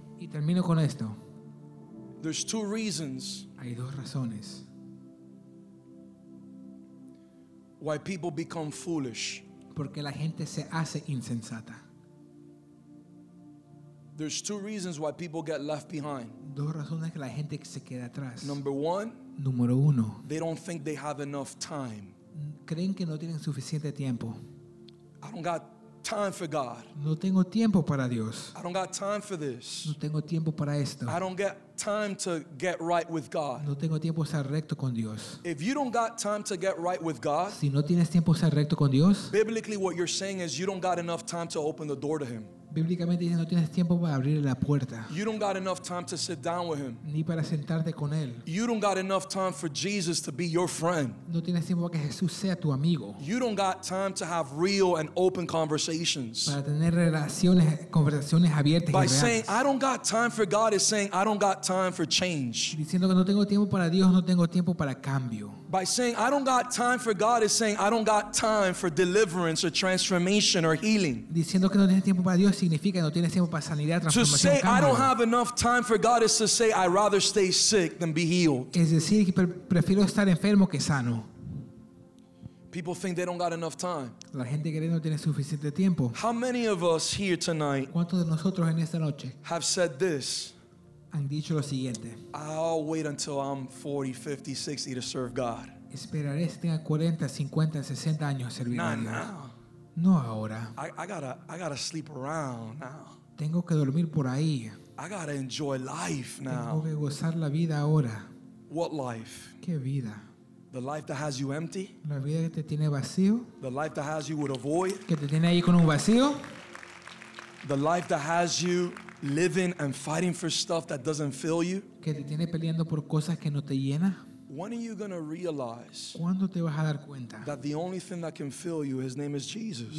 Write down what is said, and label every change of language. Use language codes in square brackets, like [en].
[es] Y termino con esto. [en] There's two reasons. [es] Hay dos razones. [en] Why people become foolish. [es] Porque la gente se hace insensata. [en] There's two reasons why people get left behind. [es] Dos razones que la gente se queda atrás. [en] Number one. [es] Número uno. [en] They don't think they have enough time. [es] Creen que no tienen suficiente tiempo. [en] I don't got time for God. [es] No tengo tiempo para Dios. [en] I don't got time for this. [es] No tengo tiempo para esto. [en] I don't get time to get right with God. [es] No tengo tiempo para estar recto con Dios. [en] If you don't got time to get right with God, [es] si no tienes tiempo para estar recto con Dios, [en] biblically what you're saying is you don't got enough time to open the door to Him. [es] Bíblicamente dice no tienes tiempo para abrir la puerta. [en] You don't got enough time to sit down with Him. [es] Ni para sentarte con él. [en] You don't got enough time for Jesus to be your friend. [es] No tienes tiempo para que Jesús sea tu amigo. [en] You don't got time to have real and open conversations. [es] Para tener conversaciones abiertas. [en] By saying I don't got time for God is saying I don't got time for change. [es] Diciendo que no tengo tiempo para Dios, no tengo tiempo para cambio. [en] By saying I don't got time for God is saying I don't got time for deliverance or transformation or healing. [es] Diciendo que no tienes tiempo para Dios significa que no tienes tiempo para sanidad, transformación. [en] To say I don't have enough time for God is to say I rather stay sick than be healed. [es] Es decir, que prefiero estar enfermo que sano. [en] People think they don't got enough time. [es] La gente cree que no tiene suficiente tiempo. [en] How many of us here tonight? [es] ¿Cuántos de nosotros en esta noche? [en] Have said this. [es] Han dicho lo siguiente. [en] I'll wait until I'm 40, 50, 60 to serve God. [es] Esperaré hasta tenga 40, 50, 60 años a servir a Dios. [en] Not now. [es] No ahora. [en] I gotta sleep around now. [es] Tengo que dormir por ahí. [en] I gotta enjoy life now. [es] Tengo que gozar la vida ahora. [en] What life? [es] ¿Qué vida? [en] The life that has you empty? [es] La vida que te tiene vacío. [en] The life that has you with a void? [es] Que te tiene ahí con un vacío. [en] The life that has you living and fighting for stuff that doesn't fill you? [es] Que te tiene peleando por cosas que no te llena. [en] When are you going to realize? [es] ¿Cuándo te vas a dar cuenta? [en] That the only thing that can fill you, His name is Jesus.